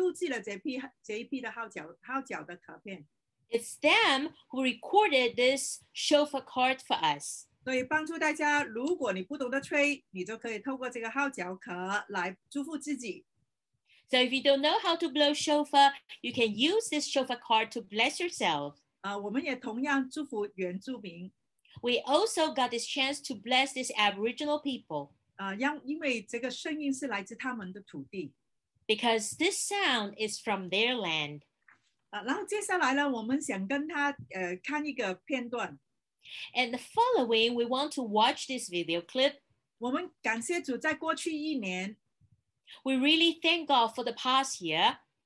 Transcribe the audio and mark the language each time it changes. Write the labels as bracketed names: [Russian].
[Chinese] 他们就做了，就是帮我们录制了这批的号角的卡片。 [English] It's them who recorded this shofar card for us. [Chinese] 所以帮助大家，如果你不懂得吹，你就可以透过这个号角壳来祝福自己。 [English] So if you don't know how to blow shofar, you can use this shofar card to bless yourself. [Chinese] 我们也同样祝福原住民。 [English] We also got this chance to bless this Aboriginal people. [Chinese] 因为这个声音是来自他们的土地。 [English] Because this sound is from their land. [Chinese] 然后接下来呢，我们想跟他看一个片段。 [English] And the following, we want to watch this video clip. [Chinese] 我们感谢主在过去一年。 [English] We really thank God for the past year.